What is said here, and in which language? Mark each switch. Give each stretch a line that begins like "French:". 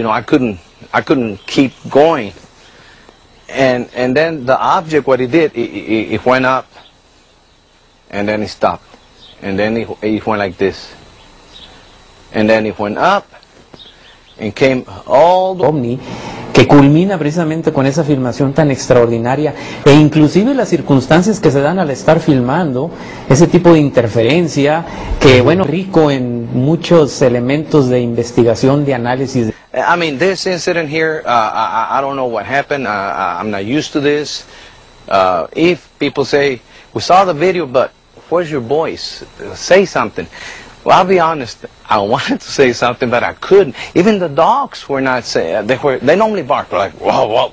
English: You know, I couldn't keep going. And then the object, what he did, it went up, and then it stopped. And then it went like this. And then it went up and came all the
Spanish: OVNI, que culmina precisamente con esa filmación tan extraordinaria, e inclusive las circunstancias que se dan al estar filmando, ese tipo de interferencia, que bueno, rico en muchos elementos de investigación, de análisis.
English: I mean, this incident here, I don't know what happened. I'm not used to this. If people say, we saw the video, but where's your voice? Say something. Well, I'll be honest, I wanted to say something, but I couldn't. Even the dogs were not saying, they normally bark, like, whoa, whoa.